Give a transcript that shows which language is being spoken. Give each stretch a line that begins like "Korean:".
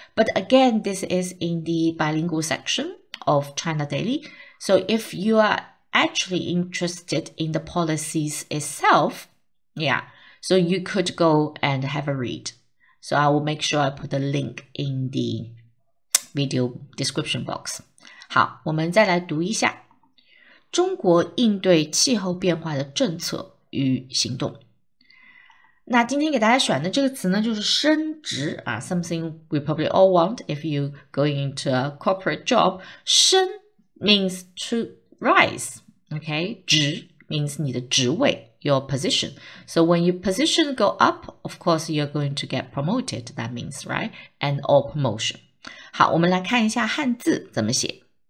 English: But again, this is in the bilingual section of China Daily. So if you are actually interested in the policies itself, yeah,So you could go and have a read. So I will make sure I put the link in the video description box.
Chinese: 好，我们再来读一下。中国应对气候变化的政策与行动。那今天给大家选的这个词呢，就是升职啊 ,
English: something we probably all want if you go into a corporate job. 升 means to rise, okay? 职 means
Chinese: 你的职位。
English: Your position. So when your position go up, of course you're going to get promoted. That means, right? And all promotion.
Chinese: 好，我们来看一下汉字怎么写。